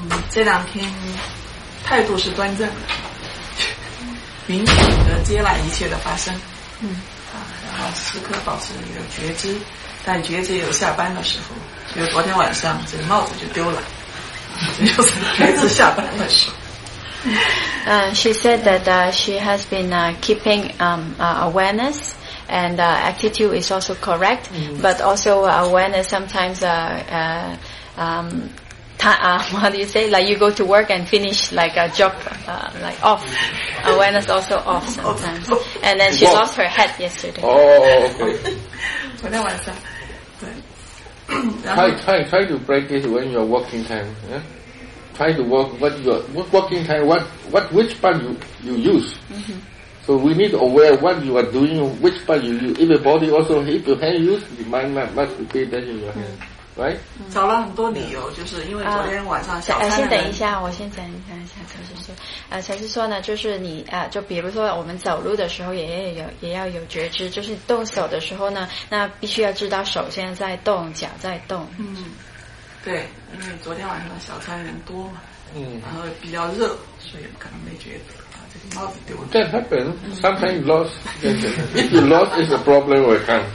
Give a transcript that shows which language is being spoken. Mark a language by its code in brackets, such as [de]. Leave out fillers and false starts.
[zh] 这两天态度是端正的，敏感的接纳一切的发生，然后时刻保持一个觉知，但觉知也有下班的时候，就是昨天晚上这个帽子就丢了，这就是觉知下班的时候。 [en] She said that she has been keeping awareness and attitude is also correct, but also awareness sometimes how do you say? Like you go to work and finish like a job, like off. Awareness also off sometimes. And then she lost her head yesterday. Oh, okay. [zh] 昨天晚上，对。 [en] Try to practice when you're working time. Yeah. Try to work what working time. Which part you use? So we need to aware what you are doing. Which part you use? If the body also, if your hand use, the mind must be paid attention to your hand. Right? [zh] 找了很多理由，就是因为昨天晚上小三。先等一下，我先讲一下，才是说，才是说呢，就是你就比如说我们走路的时候也要有觉知，就是动手的时候呢，那必须要知道手现在在动，脚在动。对，因为昨天晚上小三人多嘛，然后比较热，所以可能没觉得。 [en] That happens. Sometimes lost. If you lost, it's a problem or can't.